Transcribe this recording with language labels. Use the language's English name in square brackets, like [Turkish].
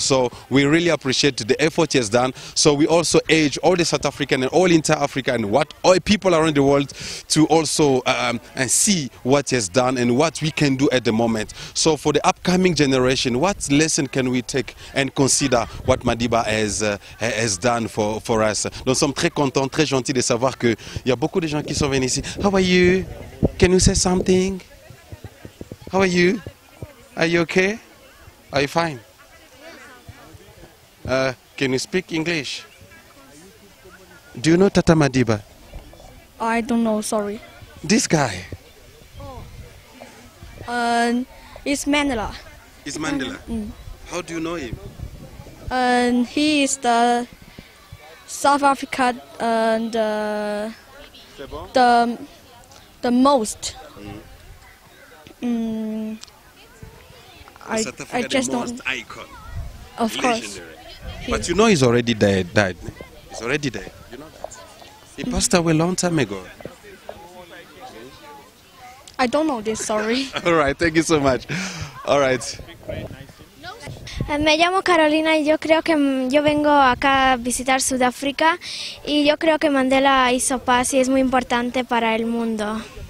[English] So we really appreciate the effort he has done. So we also urge all the South African and all inter Africa and what all people around the world to also and see what he has done and what we can do at the moment. So for the upcoming generation, what lesson can we take and consider what Madiba has done for us? [French] Nous sommes très contents, très gentils de savoir que il y a beaucoup de gens qui sont venus ici. [English] How are you? Can you say something? How are you? Are you okay? Are you fine? Can you speak English? Do you know Tata Madiba? I don't know, sorry. This guy. It's Mandela. It's Mandela. How do you know him? He is the South Africa and the most. I just the most don't. Icon. Of course. But you know he's already dead. Died. He's already dead. You know that. He passed away a long time ago. I don't know this, sorry. All right, thank you so much. All right. [Spanish] Me llamo Carolina y yo creo que yo vengo acá a visitar Sudáfrica y yo creo que Mandela hizo paz y es muy importante para el mundo.